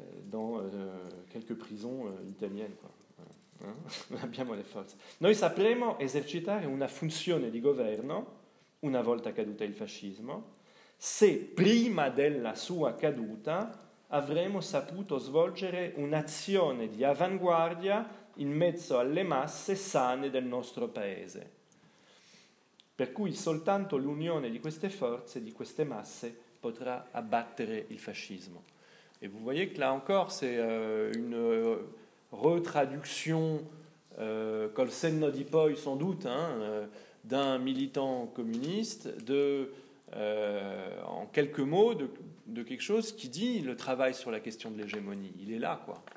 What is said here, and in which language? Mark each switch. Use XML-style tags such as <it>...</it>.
<fr>Dans quelques prisons italiennes, quoi.</fr> <it>Hein? Abbiamo le forze. Noi sapremo esercitare una funzione di governo una volta caduta il fascismo, se prima della sua caduta avremo saputo svolgere un'azione di avanguardia in mezzo alle masse sane del nostro paese. Per cui soltanto l'unione di queste forze, di queste masse, potrà abbattere il fascismo.</it> <fr>Et vous voyez que là encore, c'est une retraduction,</fr> <it>col senno di poi</it> <fr>sans doute, hein, d'un militant communiste, en quelques mots, de quelque chose qui dit le travail sur la question de l'hégémonie. Il est là, quoi.</fr>